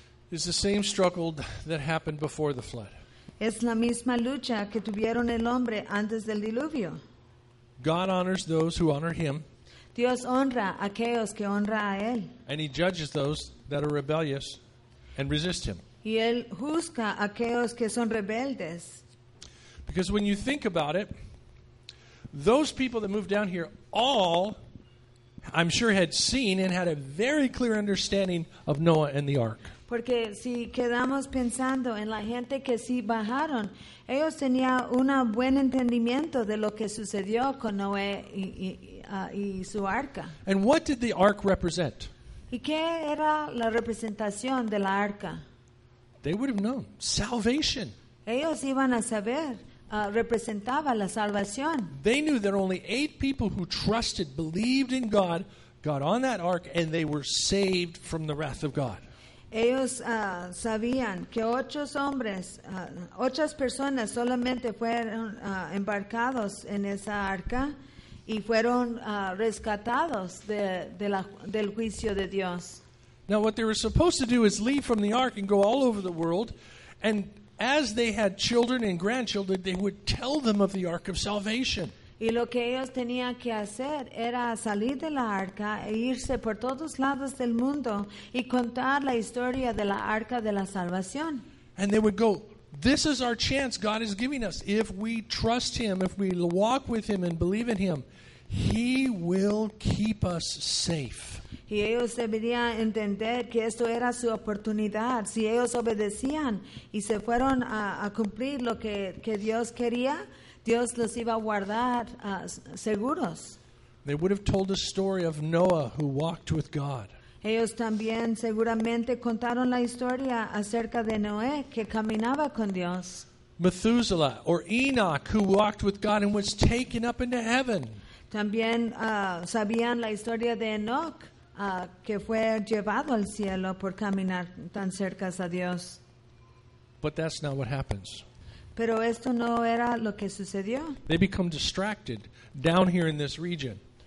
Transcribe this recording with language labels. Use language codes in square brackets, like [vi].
[en] is the same struggle that happened before the flood. [es] Es la misma lucha que tuvieron el hombre antes del diluvio. [en] God honors those who honor him. [es] Dios honra a aquellos que honra a él. [en] And he judges those that are rebellious and resist him. [es] Y él juzga a aquellos que son rebeldes. [en] Because when you think about it, those people that moved down here all, I'm sure, had seen and had a very clear understanding of Noah and the ark. [es] Porque si quedamos pensando en la gente que sí bajaron, ellos tenían un buen entendimiento de lo que sucedió con Noé y su arca. [en] And what did the ark represent? [es] ¿Y qué era la representación de la arca? [en] They would have known. Salvation. [es] Ellos iban a saber. Representaba la salvación. [en] They knew that only 8 people who trusted, believed in God, got on that ark and they were saved from the wrath of God. [es] Ellos sabían que 8 hombres, 8 personas solamente fueron embarcados en esa arca y fueron rescatados del juicio de Dios. [en] Now what they were supposed to do is leave from the ark and go all over the world and as they had children and grandchildren, they would tell them of the Ark of Salvation. [es] Y lo que ellos tenían que hacer era salir de la arca e irse por todos lados del mundo y contar la historia de la Arca de la Salvación. [en] And they would go, this is our chance God is giving us. If we trust Him, if we walk with Him and believe in Him, He will keep us safe. [es] Y ellos deberían entender que esto era su oportunidad. Si ellos obedecían y se fueron a cumplir lo que Dios quería, Dios los iba a guardar seguros. [en] They would have told the story of Noah who walked with God. [es] Ellos también seguramente contaron la historia acerca de Noé que caminaba con Dios. [en] Methuselah or Enoch who walked with God and was taken up into heaven. [es] También sabían la historia de Enoch que fue llevado al cielo por caminar tan cerca a Dios. [en] But that's not what happens. [es] Pero esto no era lo que sucedió. [en] They become distracted down here in this region.